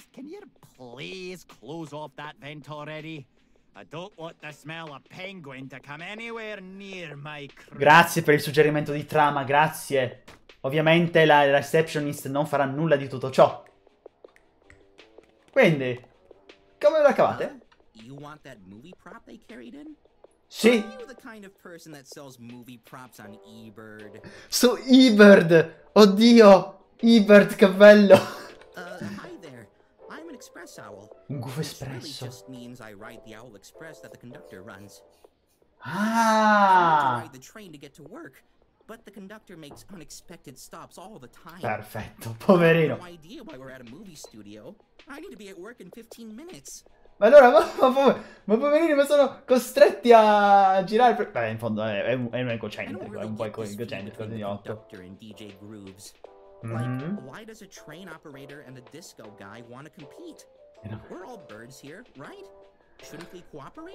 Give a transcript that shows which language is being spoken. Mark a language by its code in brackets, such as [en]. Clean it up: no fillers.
[en] Can you please close off that vent already? I don't want the smell of penguin to come anywhere near my crew. [it] Grazie per il suggerimento di trama, grazie. Ovviamente la receptionist non farà nulla di tutto ciò. Quindi, come la cavate? [en] You want that movie prop they carried in? [it] Sì. [en] Are you the kind of person that sells movie props on eBird? [it] Su eBird! Oddio! eBird, che bello! [en] hi there. I'm an express owl. [it] Un gufo espresso. [en] This just means I ride the owl express that the conductor runs. Ah! I ride the train to get to work, but the conductor makes unexpected stops all the time. [it] Perfetto, poverino. [en] No idea why we're at a movie studio. I need to be at work in 15 minutes. [it] Ma allora, ma poverini, ma sono costretti a girare per... Beh, in fondo è un egocentrico, è un po' egocentrico, è un idiota. [en] DJ Grooves. Why does a train operator and a disco guy want to compete? We're all birds here, right? Shouldn't we cooperate?